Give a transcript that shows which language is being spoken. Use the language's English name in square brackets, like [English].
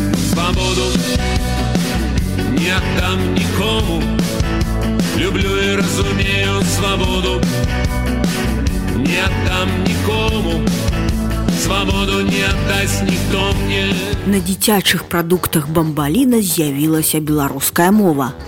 [Belarusian] Свабоду не аддам нікому, люблю і разумею свабоду, не аддам нікому. [Russian] Свободу не отдасть никто мне. [Ukrainian] На дитячих продуктах «Бамбалина» з'явилася [Russian] белорусская [Ukrainian] мова.